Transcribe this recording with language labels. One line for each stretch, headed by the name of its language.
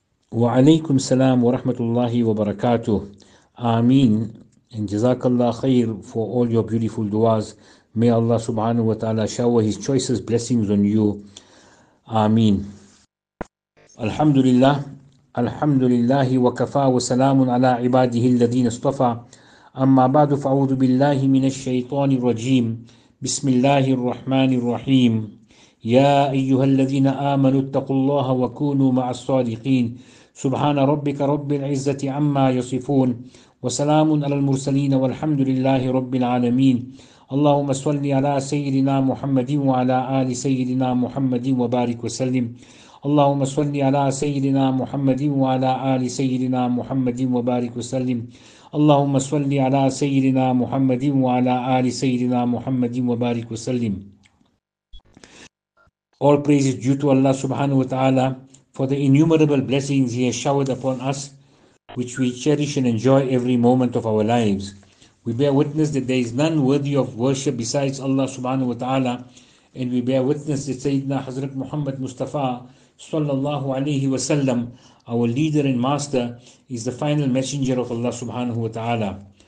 Arabic: وعليكم السلام ورحمة الله وبركاته. آمين.
English: And
Arabic: جزاك الله خير
English: for all your beautiful du'as. May Allah subhanahu wa ta'ala shower his choicest blessings on you.
Arabic: آمين. الحمد لله. الحمد لله وكفى وسلام على عباده الذين اصطفى. أما بعد فأعوذ بالله من الشيطان الرجيم. بسم الله الرحمن الرحيم. يا أيها الذين آمنوا اتقوا الله وكونوا مع الصادقين. سبحان ربك رب العزة عما يصفون وسلام على المرسلين والحمد لله رب العالمين. اللهم صل على سيدنا محمد وعلى آل سيدنا محمد وبارك وسلم. اللهم صل على سيدنا محمد وعلى آل سيدنا محمد وبارك وسلم. اللهم صل على سيدنا محمد وعلى آل سيدنا محمد وبارك وسلم.
English: All praise is due to Allah subhanahu wa ta'ala for the innumerable blessings He has showered upon us, which we cherish and enjoy every moment of our lives. We bear witness that there is none worthy of worship besides Allah subhanahu wa ta'ala, and we bear witness that Sayyidina Hazrat Muhammad Mustafa sallallahu alayhi wa sallam, our leader and master, is the final messenger of Allah subhanahu wa ta'ala.